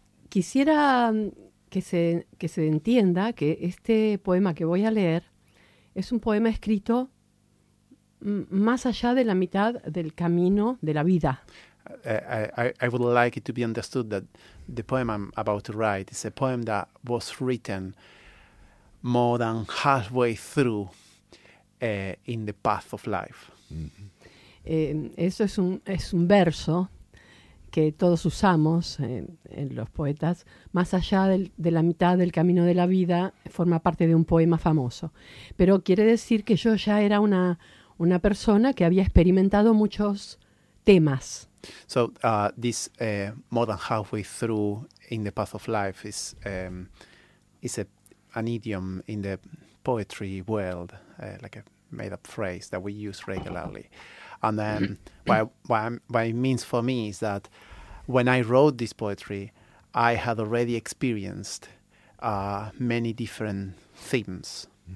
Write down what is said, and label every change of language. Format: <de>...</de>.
<es>Quisiera que se entienda que este poema que voy a leer es un poema escrito más allá de la mitad del camino de la vida.</es> <en>I would like it to be understood that the poem I'm about to write is a poem that was written more than halfway through in the path of life. Mm-hmm.</en> <es>Eso es un verso que todos usamos en los poetas, más allá de la mitad del camino de la vida, forma parte de un poema famoso. Pero quiere decir que yo ya era una persona que había experimentado muchos temas.</es> <en>So this more than halfway through in the path of life is a an idiom in the poetry world, like a made-up phrase that we use regularly. And then what it means for me is that when I wrote this poetry, I had already experienced many different themes.</en>